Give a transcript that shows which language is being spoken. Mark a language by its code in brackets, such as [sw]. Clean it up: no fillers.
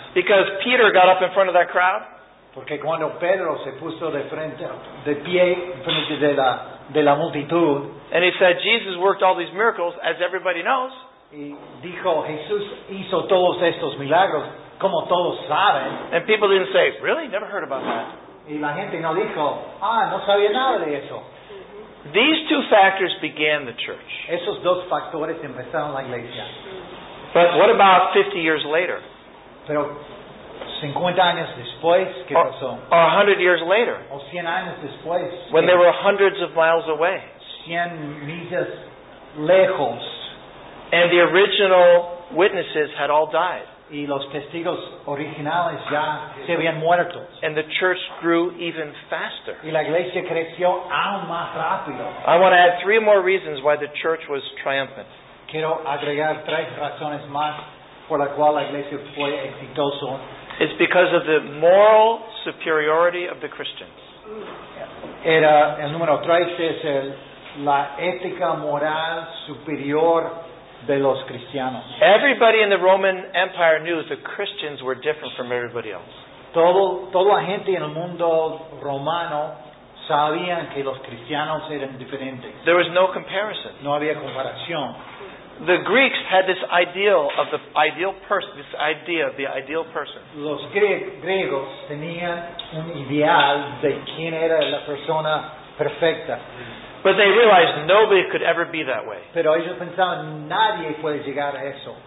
[en] Because Peter got up in front of that crowd. [es] Porque cuando Pedro se puso de pie frente de la multitud. [en] And he said, Jesus worked all these miracles, as everybody knows. [es] Y dijo, Jesús hizo todos estos milagros, como todos saben. [en] And people didn't say, really? Never heard about that. [es] Y la gente no dijo, no sabía nada de eso. [en] These two factors began the church. [es] Esos dos factores empezaron la iglesia. [en] But what about 50 years later? [es] Pero 50 años después, ¿qué pasó? [en] Or 100 years later. [es] O 100 años después. [en] When they were hundreds of miles away. [es] 100 millas lejos. [en] And the original witnesses had all died. [es] y los testigos originales ya se habían muerto. [en] And the church grew even faster. [es] Y la iglesia creció aún más rápido. [en] I want to add three more reasons why the church was triumphant. [es] Quiero agregar tres razones más por la cual la iglesia fue exitoso. [en] It's because of the moral superiority of the Christians. [es] Era el número tres, es la ética moral superior de los cristianos. [en] Everybody in the Roman Empire knew the Christians were different from everybody else. [es] Toda la gente en el mundo romano sabían que los cristianos eran diferentes. [en] There was no comparison. [es] No había comparación. [en] The Greeks had this ideal of the ideal person, this idea of the ideal person. [es] Los griegos tenían un ideal de quién era la persona perfecta. [en] But they realized nobody could ever be that way. [es] Pero ellos pensaban, nadie puede llegar a eso.